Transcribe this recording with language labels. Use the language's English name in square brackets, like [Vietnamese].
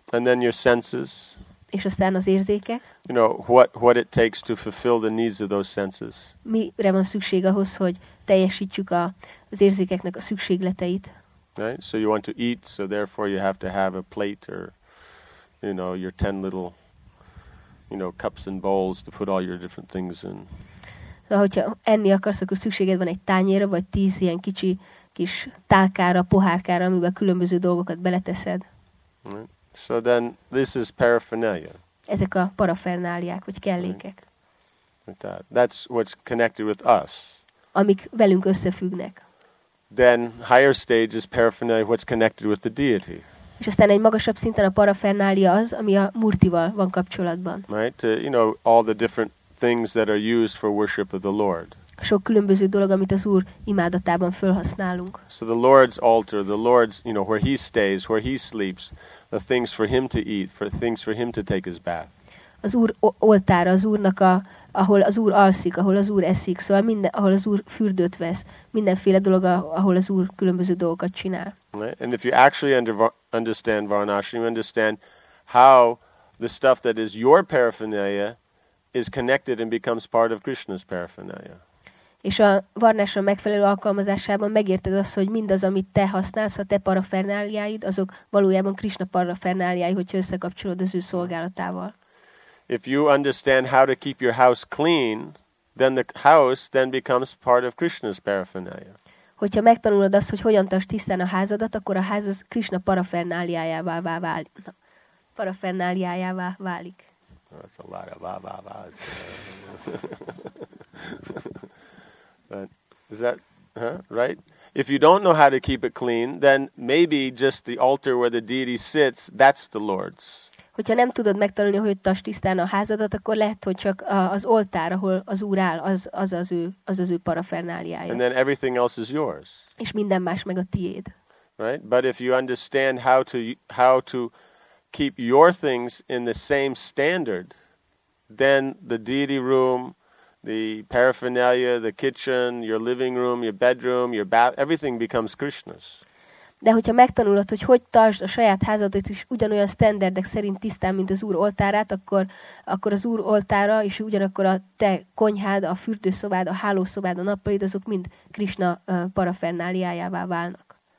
[English] And then your senses. [Hungarian] És aztán az érzékek. [English] You know, what it takes to fulfill the needs of those senses. [Hungarian] Mire van szükség ahhoz, hogy teljesítsük az érzékeknek a szükségleteit? [English] Right? So you want to eat, so therefore you have to have a plate or, you know, your 10 little... You know, cups and bowls to put all your different things in. [Hungarian] So, hogyha enni akarsz, akkor szükséged van egy tányérra, vagy 10 ilyen kicsi kis tálkára, pohárkára, amiben különböző dolgokat beleteszed. [English] Right. So then, this is paraphernalia. [Hungarian] Ezek a parafernáliák, vagy kellékek. [English] Right. That's what's connected with us. [Hungarian] Amik velünk összefüggnek. [English] Then, higher stage is paraphernalia, what's connected with the deity. [Hungarian] És aztán egy magasabb szinten a parafernália az, ami a Murtival van kapcsolatban. [English] Right, you know, all the different things that are used for worship of the Lord. [Hungarian] Sok különböző dolog, amit az Úr imádatában felhasználunk. [English] So the Lord's altar, the Lord's, you know, where he stays, where he sleeps, the things for him to eat, for things for him to take his bath. [Hungarian] Az Úr oltára, az Úrnak a, ahol az Úr alszik, ahol az Úr eszik, szóval minden, ahol az Úr fürdőt vesz, mindenféle dolog, ahol az Úr különböző dolgokat csinál. [English] Right? And if you actually understand Varanasi, you understand how the stuff that is your paraphernalia is connected and becomes part of Krishna's paraphernalia. [Hungarian] És a Varanasi megfelelő alkalmazásában megérted azt, hogy mindaz, amit te használsz, a te paraferneliáid, azok valójában Krishna paraferneliái, hogyha összekapcsolod az ő szolgálatával. [English] If you understand how to keep your house clean, then the house then becomes part of Krishna's paraphernalia. [Hungarian] Hogyha megtanulod azt, hogy hogyan tartsd tisztán a házadat, akkor a ház az Krishna paraferneliájává válik. Paraferneliájává válik. [English] That's a lot of va-va-vas. But is that right? If you don't know how to keep it clean, then maybe just the altar where the deity sits, that's the Lord's. [Hungarian] Hogyha nem tudod megtanulni, hogy tartsd tisztán a házadat, akkor lehet, hogy csak az oltár, ahol az Úr áll, az az ő paraferneliája. [English] And then everything else is yours. [Hungarian] És minden más meg a tiéd. [English] Right? But if you understand how to keep your things in the same standard, then the deity room, the paraphernalia, the kitchen, your living room, your bedroom, your bath, everything becomes Krishna's. [Hungarian] De hogyha megtanulod, hogy hogy tartsd a saját házadat is ugyanolyan standardek szerint tisztán, mint az Úr oltárát, akkor az Úr oltára és ugyanakkor a te konyhád, a fürdőszobád, a hálószobád, a nappalid, azok mind Krishna paraferneliájává válnak.